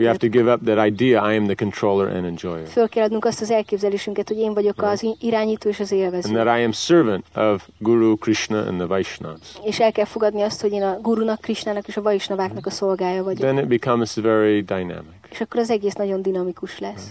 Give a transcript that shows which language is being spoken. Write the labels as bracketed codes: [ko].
[en] We have to give up that idea, I am the controller and enjoyer. [hu] Föl kell adnunk azt az elképzelésünket, hogy én vagyok az irányító és az élvező. [en] And that I am servant of Guru, Krishna and the Vaishnavas. [hu] És el kell fogadni azt, hogy én a gurunak, Krishnának és a Vaishnavaknak a szolgája vagyok. [en] Then it becomes very dynamic. [hu] És akkor az egész nagyon dinamikus lesz.